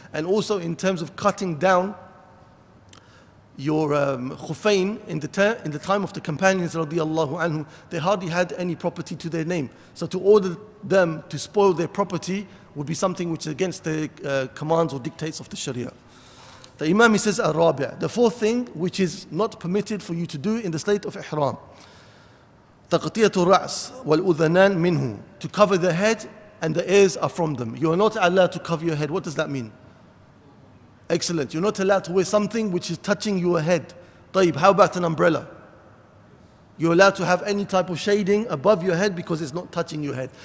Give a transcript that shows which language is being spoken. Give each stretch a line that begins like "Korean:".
English: And also in terms of cutting down your khufayn in the time of the companions radiallahu anhu, they hardly had any property to their name. So to order them to spoil their property would be something which is against the commands or dictates of the Sharia. The Imam, he says, al-rabi'a, the fourth thing which is not permitted for you to do in the state of ihram.
Arabic: تقطيعة الرأس والأذنان منه.
English: To cover the head and the ears are from them. You are not allowed to cover your head. What does that mean? Excellent. You're not allowed to wear something which is touching your head.
Arabic: طيب,
English: how about an umbrella? You're allowed to have any type of shading above your head because it's not touching your head.